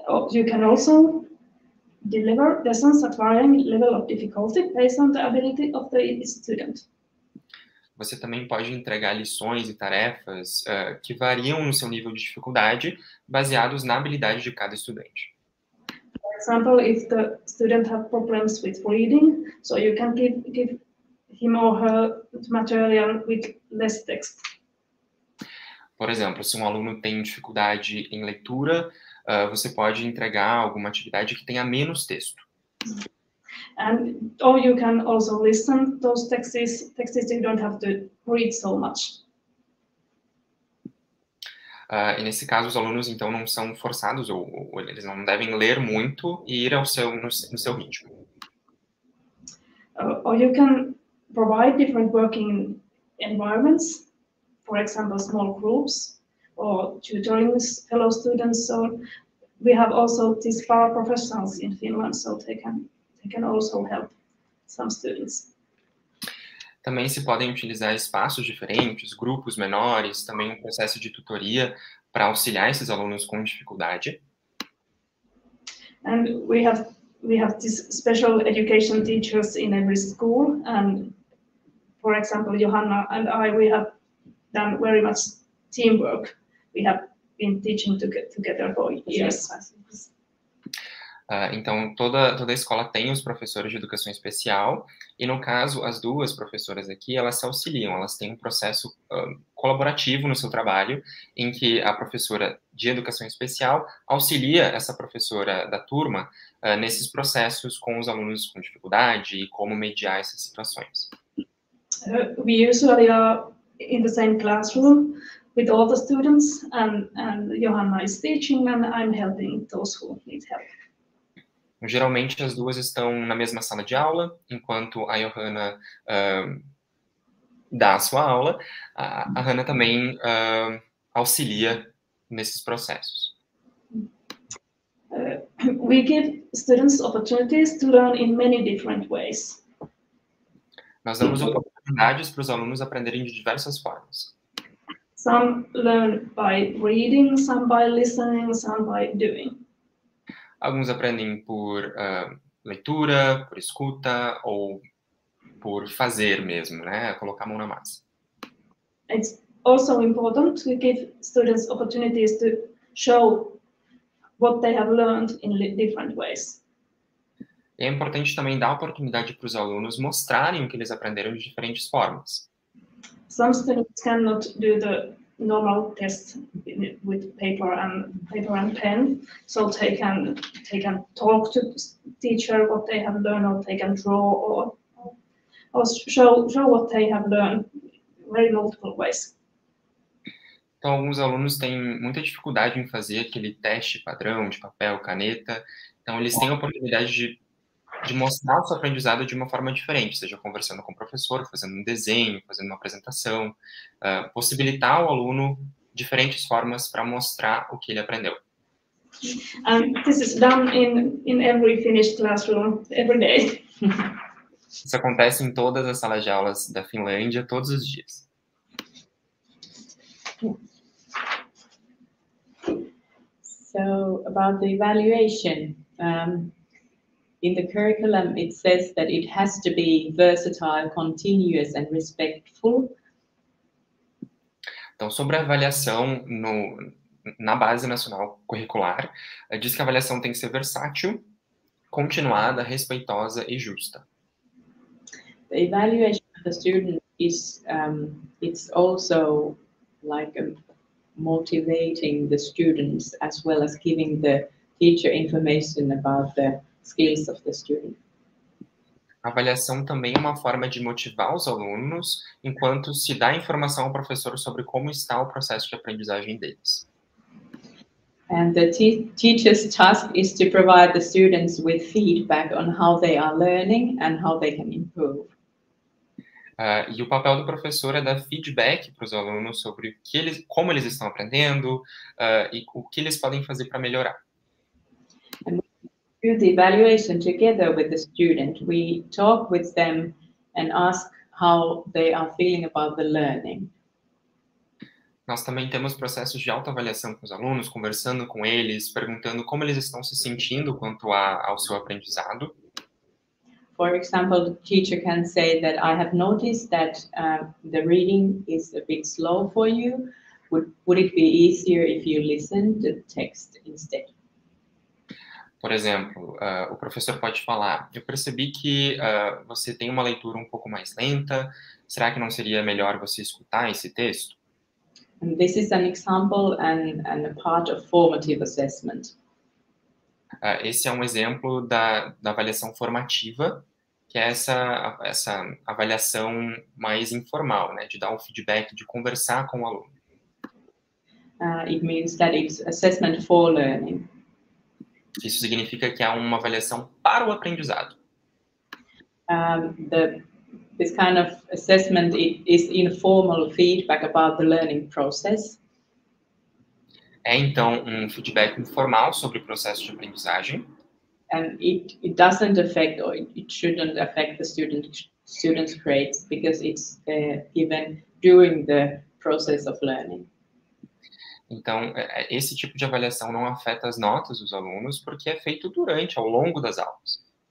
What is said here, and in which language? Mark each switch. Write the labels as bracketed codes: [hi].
[en] You can also deliver lessons at varying level of difficulty based on the ability of the student. [pt] Você também pode entregar lições e tarefas que variam no seu nível de dificuldade baseados na habilidade de cada estudante. [en] For example, if the student has problems with reading, so you can give him or her material with less text. [pt] Por exemplo, se um aluno tem dificuldade em leitura, você pode entregar alguma atividade que tenha menos texto. [en] Or you can also listen to those texts you don't have to read so much. [pt] E nesse caso, os alunos, então, não são forçados, ou eles não devem ler muito e ir ao seu, no seu ritmo. [en] Or you can provide different working environments, for example, small groups or tutoring fellow students. So we have also these paraprofessionals in Finland, so they can also help some students. [pt] Também se podem utilizar espaços diferentes, grupos menores, também um processo de tutoria para auxiliar esses alunos com dificuldade. [en] And we have these special education teachers in every school, and for example, Johanna and I, we have done very much teamwork. We have been teaching together for years. [pt] Então, toda a escola tem os professores de educação especial, e no caso, as duas professoras aqui, elas se auxiliam, elas têm um processo colaborativo no seu trabalho, em que a professora de educação especial auxilia essa professora da turma nesses processos com os alunos com dificuldade e como mediar essas situações. [en] We usually are in the same classroom with all the students, and Johanna is teaching and I'm helping those who need help. [pt] Geralmente as duas estão na mesma sala de aula, enquanto a Johanna da sua aula, a Hannah também auxilia nesses processos. [en] We give students opportunities to learn in many different ways. [pt] Nós damos oportunidades para os alunos aprenderem de diversas formas. [en] Some learn by reading, some by listening, some by doing. [pt] Alguns aprendem por leitura, por escuta ou por fazer mesmo, né? Colocar a mão na massa. [en] It's also important to give students opportunities to show what they have learned in different ways. [pt] É importante também dar oportunidade para os alunos mostrarem o que eles aprenderam de diferentes formas. [en] Some students cannot do the normal test with paper and pen, so they can talk to teacher what they have learned, or they can draw or show what they have learned very multiple ways. [pt] Então, alguns alunos têm muita dificuldade em fazer aquele teste padrão de papel, caneta, então eles têm a oportunidade de mostrar o seu aprendizado de uma forma diferente, seja conversando com o professor, fazendo um desenho, fazendo uma apresentação, possibilitar ao aluno diferentes formas para mostrar o que ele aprendeu. [en] This is done in every Finnish classroom, every day. [pt] Isso acontece em todas as salas de aulas da Finlândia, todos os dias. [en] So, about the evaluation. In the curriculum, it says that it has to be versatile, continuous, and respectful. [pt] Então, sobre a avaliação na base nacional curricular, diz que a avaliação tem que ser versátil, continuada, respeitosa e justa. [en] The evaluation of the student is it's also like motivating the students as well as giving the teacher information about the skills of the student. [pt] A avaliação também é uma forma de motivar os alunos enquanto se dá informação ao professor sobre como está o processo de aprendizagem deles. [en] And the teacher's task is to provide the students with feedback on how they are learning and how they can improve. [pt] E o papel do professor é dar feedback para os alunos sobre como eles estão aprendendo e o que eles podem fazer para melhorar. [en] The evaluation together with the student, we talk with them and ask how they are feeling about the learning. [pt] Nós também temos processos de autoavaliação com os alunos, conversando com eles, perguntando como eles estão se sentindo quanto ao seu aprendizado. [en] For example, the teacher can say that I have noticed that the reading is a bit slow for you. Would it be easier if you listened to the text instead? [pt] Por exemplo, o professor pode falar, eu percebi que você tem uma leitura um pouco mais lenta, será que não seria melhor você escutar esse texto? [en] And this is an example and a part of formative assessment. [pt] Esse é um exemplo da avaliação formativa, que é essa avaliação mais informal, né, de dar um feedback, de conversar com o aluno. [en] It means that it's assessment for learning. [pt] Isso significa que há uma avaliação para o aprendizado. [en] This kind of assessment is informal feedback about the learning process. [pt] É então um feedback informal sobre o processo de aprendizagem. [en] And it doesn't affect or it shouldn't affect the student's grades because it's given during the process of learning. [pt] Então, esse tipo de avaliação não afeta as notas dos alunos, porque é feito durante, ao longo das aulas.